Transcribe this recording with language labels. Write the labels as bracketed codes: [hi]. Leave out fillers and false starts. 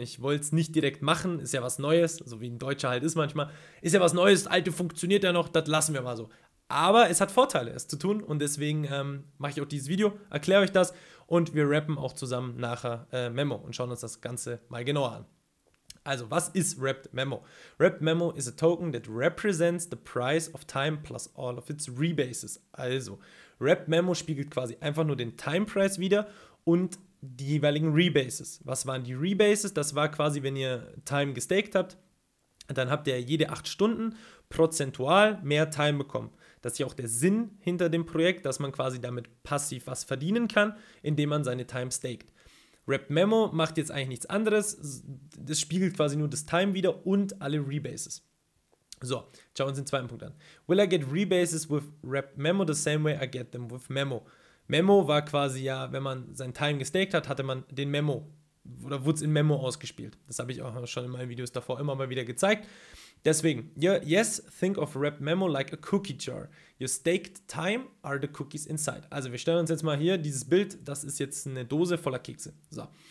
[de] Ich wollte es nicht direkt machen, ist ja was Neues, so wie ein Deutscher halt ist manchmal. Ist ja was Neues, Alte funktioniert ja noch, das lassen wir mal so. Aber es hat Vorteile, es zu tun und deswegen mache ich auch dieses Video, erkläre euch das und wir rappen auch zusammen nachher Memo und schauen uns das Ganze mal genauer an. Also, was ist wrapped Memo? [en] Wrapped Memo is a token that represents the price of time plus all of its rebases. [de] Also, wrapped Memo spiegelt quasi einfach nur den Time-Price wieder und die jeweiligen Rebases. Was waren die Rebases? Das war quasi, wenn ihr Time gestaked habt, dann habt ihr jede 8 Stunden prozentual mehr Time bekommen. Das ist ja auch der Sinn hinter dem Projekt, dass man quasi damit passiv was verdienen kann, indem man seine Time staked. Wrapped Memo macht jetzt eigentlich nichts anderes. Das spiegelt quasi nur das Time wieder und alle Rebases. So, schauen wir uns den zweiten Punkt an. [en] Will I get Rebases with Wrapped Memo the same way I get them with Memo? [de] Memo war quasi ja, wenn man sein Time gestaked hat, hatte man den Memo oder wurde es in Memo ausgespielt. Das habe ich auch schon in meinen Videos davor immer mal wieder gezeigt. Deswegen, [en] yeah, yes, think of Wrapped Memo like a cookie jar. Your staked time are the cookies inside. [de] Also wir stellen uns jetzt mal hier dieses Bild, das ist jetzt eine Dose voller Kekse. So.